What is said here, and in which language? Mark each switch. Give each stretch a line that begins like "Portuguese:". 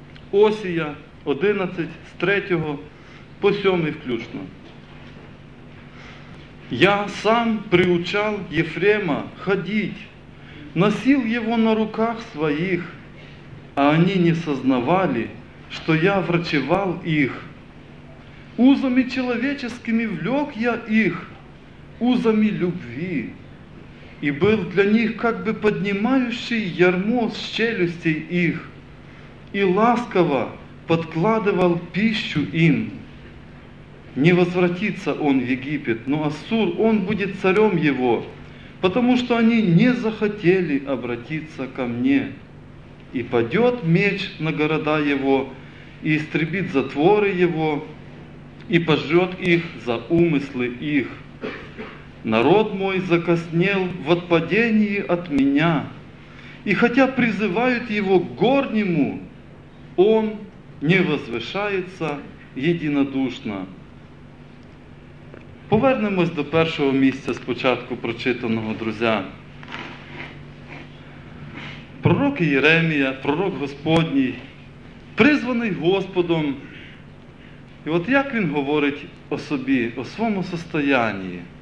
Ukrainian: Осія, 11, з 3-го по 7-й включно. «Я сам приучав Єфрема ходить, носив його на руках своїх, а вони не сознавали, що я врачував їх. Узами чоловічими влёк я їх,
Russian: узами любви, и был для них как бы поднимающий ярмо с челюстей их, и ласково подкладывал пищу им. Не возвратится он в Египет, но Ассур, он будет царем его, потому что они не захотели обратиться ко мне. И падет меч на города его, и истребит затворы его, и пожрет их за умыслы их. Народ мой закоснел в отпадении от меня, и хотя призывают его к горнему, он не возвышается единодушно».
Ukrainian: Повернемось до першого місця спочатку прочитаного, друзі. Пророк Єремія, пророк Господній, призваний Господом. І от як він говорить о собі, о своєму состоянні?